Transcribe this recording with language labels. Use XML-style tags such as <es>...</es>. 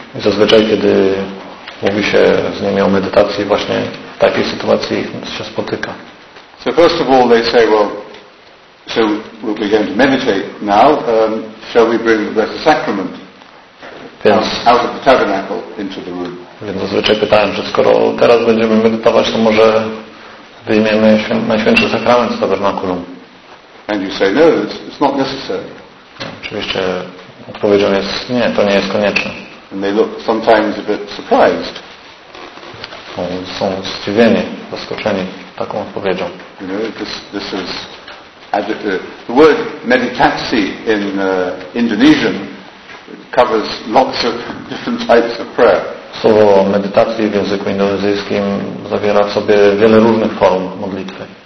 <pl>I zazwyczaj, kiedy mówi się z nimi o medytacji, właśnie w takiej sytuacji się spotyka.</pl> <en>So first of all they say, well, so we're going to meditate now, shall we bring the Blessed Sacrament out of the tabernacle into the room?</en> <pl>Więc zazwyczaj pytałem, że skoro teraz będziemy medytować, to może wyjmiemy Najświętszy Sakrament z tabernakulu.</pl> <en>And you say, no, it's not necessary.</en> <pl>Oczywiście odpowiedzią jest nie, to nie jest konieczne.</pl> <en>And they look sometimes a bit surprised.</en> <pl>Są zdziwieni, zaskoczeni taką odpowiedzią.</pl> <en>You know, this is the word meditatsi in Indonesian covers lots of different types of prayer.</en> <pl>Słowo medytacji w języku indonezyjskim zawiera w sobie wiele różnych form modlitwy.</pl>